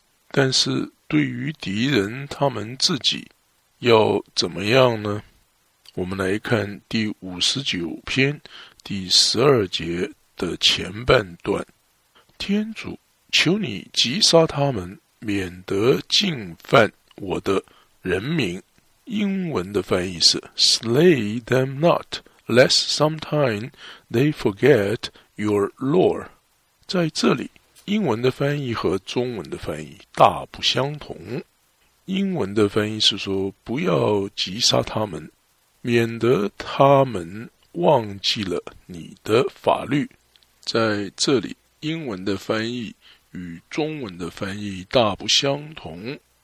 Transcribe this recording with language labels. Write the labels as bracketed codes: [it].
[zh] 但是对于敌人他们自己要怎么样呢？我们来看第59篇第12节的前半段。天主，求你击杀他们，免得进犯我的人民。英文的翻译是 [en] Slay them not, lest sometime they forget your law. [zh] 在这里英文的翻译和中文的翻译大不相同。英文的翻译是说，不要击杀他们，免得他们忘记了你的法律。在这里英文的翻译与中文的翻译大不相同。